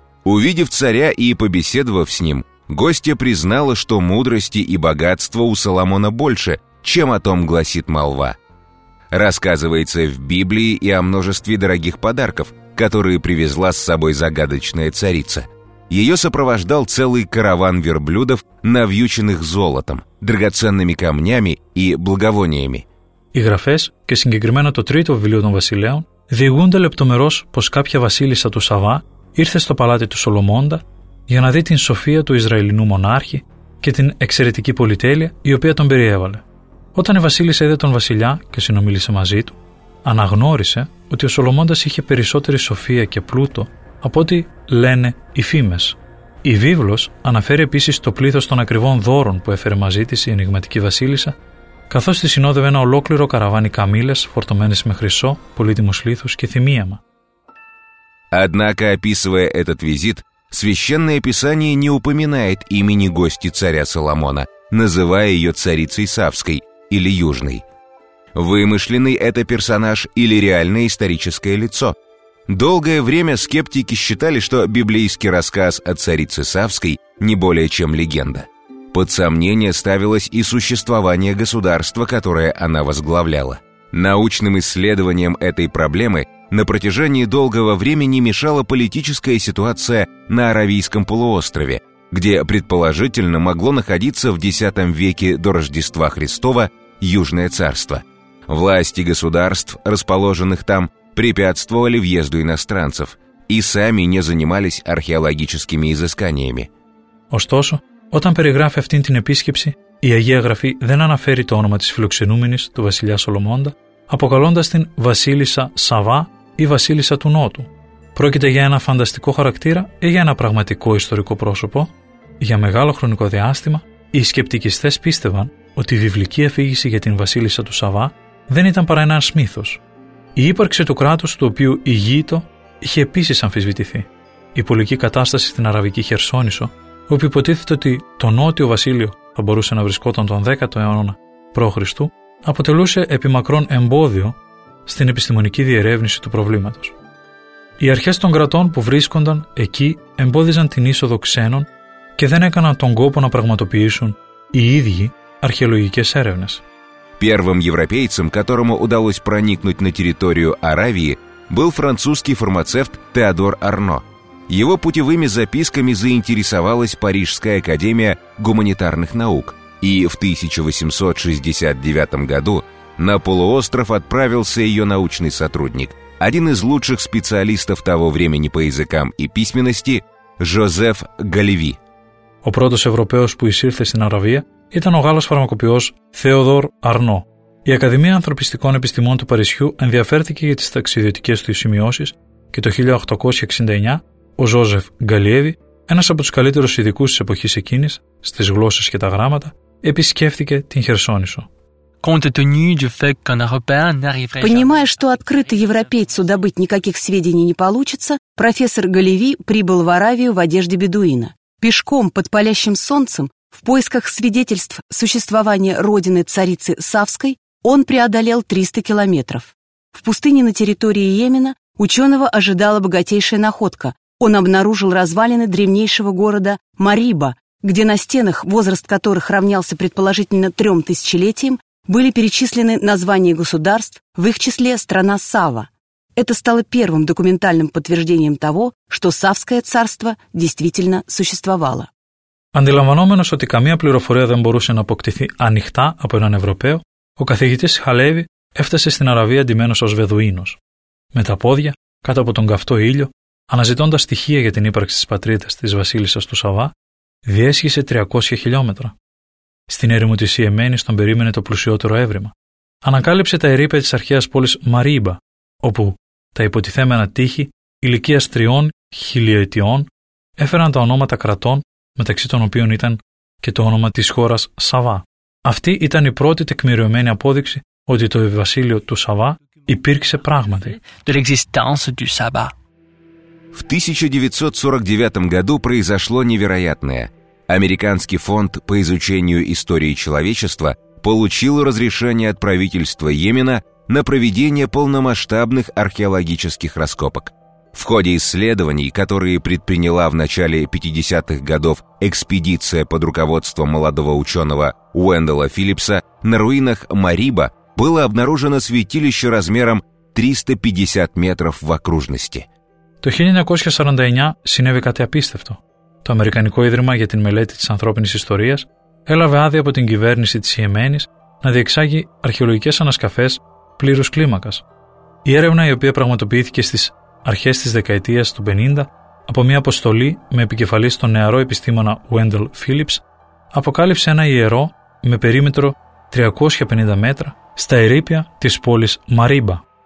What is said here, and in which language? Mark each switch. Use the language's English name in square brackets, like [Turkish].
[Russian] Увидев царя и побеседовав с ним, гостья признала, что мудрости и богатства у Соломона больше, чем о том гласит молва. Рассказывается в Библии и о множестве дорогих подарков, которые привезла с собой загадочная царица. Ее сопровождал целый караван верблюдов, навьюченных золотом, драгоценными камнями и благовониями. [Greek] Οι γραφές και συγκεκριμένα το τρίτο βιβλίο των βασιλέων διηγούνται λεπτομερώς πως κάποια βασίλισσα του Σαβά ήρθε στο παλάτι του Σολομώντα για να δει την σοφία του Ισραηλινού μονάρχη και την εξαιρετική πολυτέλεια η οποία τον περιέβαλε. Όταν η βασίλισσα είδε τον βασιλιά και συνομίλησε μαζί του, αναγνώρισε ότι ο Σολομώντας είχε περισσότερη σοφία και πλούτο από ό,τι λένε οι φήμες. Η βίβλος αναφέρει επίσης το πλήθος των ακριβών δώρων που έφερε μαζί της η ενιγματική βασίλισσα, καθώς τη συνόδευε ένα ολόκληρο καραβάνι καμήλες φορτωμένες με χρυσό, πολύτιμους λίθους και θυμίαμα. [Russian] Однако, описывая этот визит, Священное Писание не упоминает имени гости царя Соломона, называя ее царицей Савской или Южной. Вымышленный это персонаж или реальное историческое лицо? Долгое время скептики считали, что библейский рассказ о царице Савской не более чем легенда. Под сомнение ставилось и существование государства, которое она возглавляла. Научным исследованиям этой проблемы на протяжении долгого времени мешала политическая ситуация на Аравийском полуострове, где, предположительно, могло находиться в X веке до Рождества Христова Южное Царство. Власти государств, расположенных там, препятствовали въезду иностранцев и сами не занимались археологическими изысканиями. [Greek] Ωστόσο, όταν περιγράφει αυτήν την επίσκεψη, η Αγία Γραφή δεν αναφέρει το όνομα της φιλοξενούμενης, του βασιλιά Σολομώντα, αποκαλώντας την βασίλισσα Σαβά ή βασίλισσα του Νότου. Πρόκειται για ένα φανταστικό χαρακτήρα ή για ένα πραγματικό ιστορικό πρόσωπο? Για μεγάλο χρονικό διάστημα, οι σκεπτικιστές πίστευαν ότι η βιβλική αφήγηση για την βασίλισσα του Σαβά δεν ήταν παρά ένας μύθος. Η ύπαρξη του κράτους του οποίου ηγείτο είχε επίσης αμφισβητηθεί. Η πολική κατάσταση στην Αραβική Χερσόνησο, όπου υποτίθεται ότι το νότιο βασίλειο θα μπορούσε να βρισκόταν τον 10ο αιώνα π.Χ., αποτελούσε επί μακρόν εμπόδιο στην επιστημονική διερεύνηση του προβλήματος. Οι αρχές των κρατών που βρίσκονταν εκεί εμπόδιζαν την είσοδο ξένων και δεν έκαναν τον κόπο να πραγματοποιήσουν οι ίδιοι αρχαιολογικές έρευνες. [Russian] Первым европейцем, которому удалось проникнуть на территорию Аравии, был французский фармацевт Теодор Арно. Его путевыми записками заинтересовалась Парижская академия гуманитарных наук, и в 1869 году на полуостров отправился ее научный сотрудник, один из лучших специалистов того времени по языкам и письменности, Жозеф Галеви. [Greek] Ο πρώτος Ευρωπαίος που εισήλθε στην Αραβία ήταν ο Γάλλος φαρμακοποιός Θεόδωρ Αρνό. Η Ακαδημία Ανθρωπιστικών Επιστημών του Παρισιού ενδιαφέρθηκε για τις ταξιδιωτικές του σημειώσεις και το 1869 ο Ζόζεφ Γκαλιέβι, ένας από τους καλύτερους ειδικούς της εποχής εκείνης, στις γλώσσες και τα γράμματα, επισκέφθηκε την Χερσόνησο. [Russian] Понимая, что открыто европейцу добыть никаких сведений не получится, профессор Галеви прибыл в Аравию в одежде бедуина. Пешком под палящим солнцем, в поисках свидетельств существования родины царицы Савской, он преодолел 300 километров. В пустыне на территории Йемена ученого ожидала богатейшая находка. Он обнаружил развалины древнейшего города Мариба, где на стенах, возраст которых равнялся предположительно 3000 летиям, были перечислены названия государств, в их числе страна Сава. Это стало первым документальным подтверждением того, что Савское царство действительно существовало. [Greek] Αντιλαμβανόμενος ότι καμία πληροφορία δεν μπορούσε να αποκτηθεί ανοιχτά από έναν Ευρωπαίο, ο καθηγητής Χαλέβη έφτασε στην Αραβία ντυμένος ως Βεδουίνος. Με τα πόδια, κάτω από τον καυτό ήλιο, αναζητώντας στοιχεία για την ύπαρξη της πατρίδας της βασίλισσας του Σαβά, διέσχισε 300 χιλιόμετρα. Στην έρημο της Ιεμένης τον περίμενε το πλουσιότερο έβριμα. Ανακάλυψε τα ερείπια της αρχαίας πόλης Μαρίμπα, όπου τα υποτιθέμενα τείχη ηλικίας 3000 ετών έφεραν τα ονόματα κρατών, μεταξύ των οποίων ήταν και το όνομα της χώρας Σαβά. Αυτή ήταν η πρώτη τεκμηριωμένη απόδειξη ότι το βασίλειο του Σαβά υπήρξε πράγματι. [French] De l'existence du Saba. [Russian] В 1949 году произошло невероятное. Американский фонд по изучению истории человечества получил разрешение от правительства Йемена на проведение полномасштабных археологических раскопок. В ходе исследований, которые предприняла в начале 50-х годов экспедиция под руководством молодого ученого Уэндала Филлипса, на руинах Мариба было обнаружено святилище размером 350 метров в окружности. [Greek] Το 1949 συνέβη κάτι απίστευτο. το Αμερικανικό Ίδρυμα για την Μελέτη της Ανθρώπινης Ιστορίας, έλαβε άδεια από την κυβέρνηση της Ιεμένης να διεξάγει αρχαιολογικές ανασκαφές πλήρους κλίμακας. Η έρευνα, η οποία πραγματοποιήθηκε στις αρχές της δεκαετίας του 50 από μια αποστολή με επικεφαλής τον νεαρό επιστήμονα Wendell Phillips, αποκάλυψε ένα ιερό με περίμετρο 350 μέτρα στα ερείπια της πόλης Μαρίμπα.